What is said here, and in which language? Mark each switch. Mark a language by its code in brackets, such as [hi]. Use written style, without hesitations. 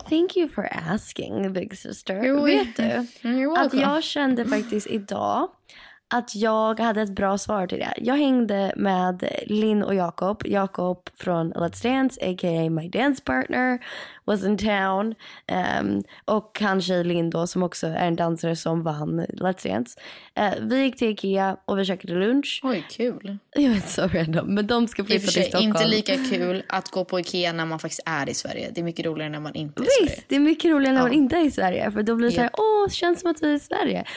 [en] Thank you for asking, big sister. [sv] Vet du, att jag kände faktiskt idag att jag hade ett bra svar till det. Jag hängde med Linn och Jakob. [en] Jakob [sv] från [en] Let's Dance, aka my dance partner, was in town. [sv] Och hans tjej Linn då, som också är en dansare som vann Let's Dance. Vi gick till IKEA och vi käkade lunch. Oj, kul. Jag vet, så random. Men de ska flytta till Stockholm. Inte lika kul att gå på IKEA när man faktiskt är i Sverige. Det är mycket roligare när man inte är Visst, i Sverige. Visst, det är mycket roligare när man inte är i Sverige. För då blir det såhär, åh, känns som att vi är i Sverige.